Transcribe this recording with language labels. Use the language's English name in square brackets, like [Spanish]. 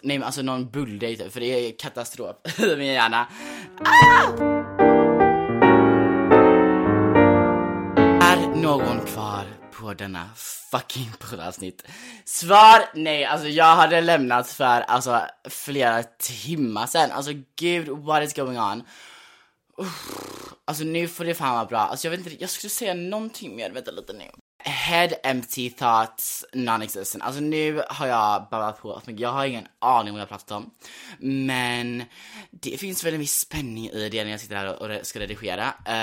[Swedish] Nej men alltså någon bulldej typ, för det är katastrof i min hjärna. Är någon kvar på denna fucking poddavsnitt? Svar nej. Alltså jag hade lämnat för alltså flera timmar sedan. Alltså gud, [English] what is going on? [Swedish] Alltså nu får det fan vara bra. Alltså jag vet inte, jag skulle säga någonting mer. Vänta lite nu. [English] Head empty, thoughts non-existent. [Swedish] Alltså nu har jag babblat på, men jag har ingen aning om vad jag pratat om. Men det finns väl en viss spänning i det när jag sitter här och ska redigera.